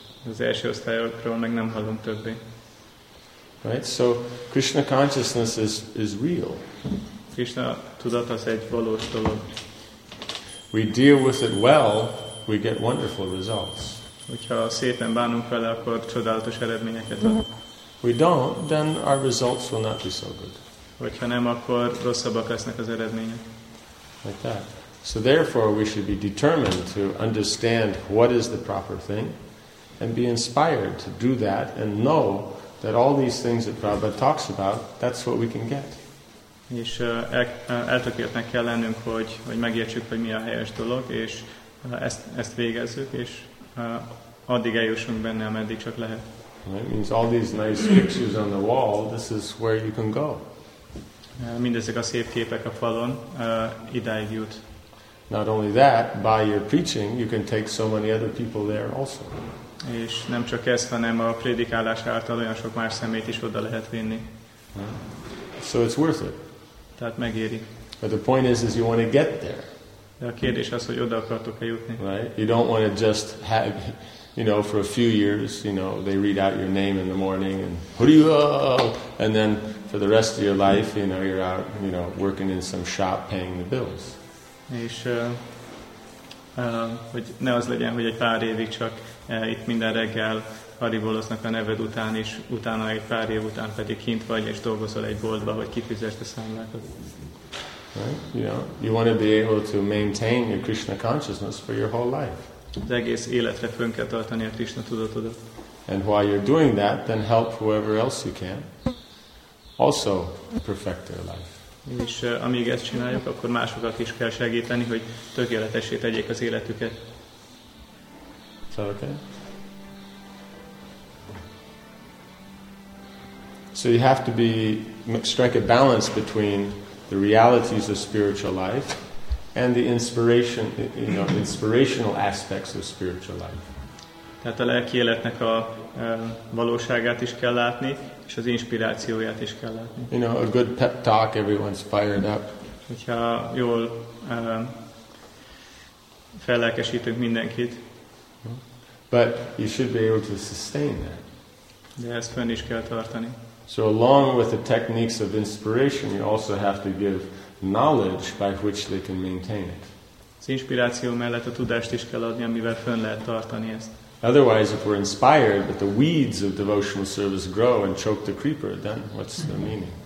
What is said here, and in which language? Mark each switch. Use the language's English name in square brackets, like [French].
[Hungarian] Az első osztályokról meg nem hallunk többé. [English] Right? So Krishna consciousness is real. [Hungarian] Krishna tudat az egy valós dolog. [English] We deal with it well, we get wonderful results. [Hungarian] Hogyha szépen bánunk vele, akkor csodálatos eredményeket ad. [English] We don't, then our results will not be so good. [Hungarian] Hogyha nem, akkor rosszabbak lesznek az eredmények. [English] Like that. So therefore, we should be determined to understand what is the proper thing, and be inspired to do that and know that all these things that Prabhupada talks about, that's what we can get. [Hungarian] És eltökéltnek kell lennünk, hogy megértsük, hogy mi a helyes dolog, és ezt végezzük, és addig eljussunk benne, ameddig csak lehet. [English] It means all these nice pictures on the wall, this is where you can go. [Hungarian] Mindezek a szép képek a falon, idáig jut. [English] Not only that, by your preaching, you can take so many other people there also. [Hungarian] És nem csak ez, hanem a prédikálás által olyan sok más szemét is oda lehet vinni. [English] So it's worth it. [Hungarian] Tehát megéri. [English] But the point is you want to get there. [Hungarian] De a kérdés az, hogy oda akartok-e jutni. [English] Right? You don't want to just have, you know, for a few years, you know, they read out your name in the morning and and then for the rest of your life, you know, you're out, you know, working in some shop paying the bills. [Hungarian] És hogy ne az legyen, hogy egy pár évig csak itt minden reggel Haribolosznak a neved után is, utána egy pár év után pedig kint vagy és dolgozol egy boltba, hogy kifizest a számlákat. [English] Right? You know, you want to be able to maintain your Krishna consciousness for your whole life. [Hungarian] Az egész életre fönn kell tartani a Krishna tudatodat. [English] And while you're doing that, then help whoever else you can also perfect their life. [Hungarian] És amíg ezt csináljuk, akkor másokat is kell segíteni, hogy tökéletessé tegyék az életüket. [English] Is that okay? So you have to strike a balance between the realities of spiritual life and the inspiration, you know, inspirational aspects of spiritual life. [Hungarian] Tehát a lelki életnek a valóságát is kell látni, és az inspirációját is kell látni. [English] You know, a good pep talk, everyone's fired up. [Hungarian] Hogyha jól fellelkesítünk mindenkit. [English] But you should be able to sustain that. [Hungarian] De ezt fönn is kell tartani. [English] So along with the techniques of inspiration, you also have to give knowledge by which they can maintain it. [Hungarian] Az inspiráció mellett a tudást is kell adni, amivel fönn lehet tartani ezt. [English] Otherwise, if we're inspired, but the weeds of devotional service grow and choke the creeper, then what's the meaning?